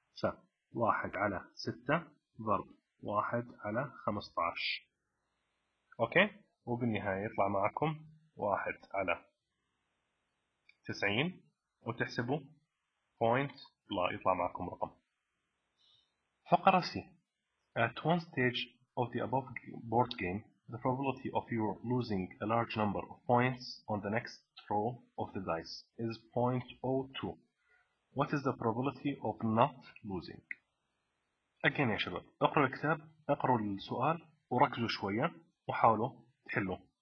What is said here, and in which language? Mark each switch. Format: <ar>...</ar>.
<ar>ف واحد على ستة ضرب واحد على 15. أوكي؟ وبالنهاية يطلع معكم واحد على 90 وتحسبوا point لا يطلع معكم رقم. فقرة C،</ar> <en>at one stage of the above board game the probability of you losing a large number of points on the next throw of the dice is 0.02. What is the probability of not losing?</en> <ar>Again يا شباب، اقروا الكتاب، اقروا السؤال وركزوا شوية وحاولوا تحلوا.</ar>